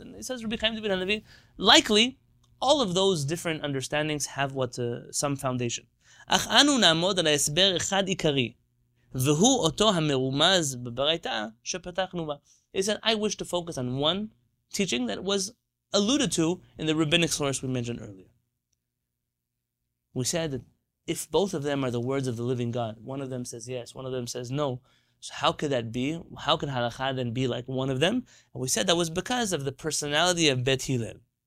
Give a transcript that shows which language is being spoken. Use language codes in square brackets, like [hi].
[en] And it says Rabbi Haim David Halevy, likely, all of those different understandings have some foundation. [he] אך אנו נעמוד על ההסבר אחד עיקרי, והוא אותו המרומז בברייתא שפתחנו בה. [en] He said, I wish to focus on one teaching that was alluded to in the rabbinic source we mentioned earlier. We said that if both of them are the words of the living God, one of them says yes, one of them says no, so how could that be? How can halakha then be like one of them? And we said that was because of the personality of Bet Hillel.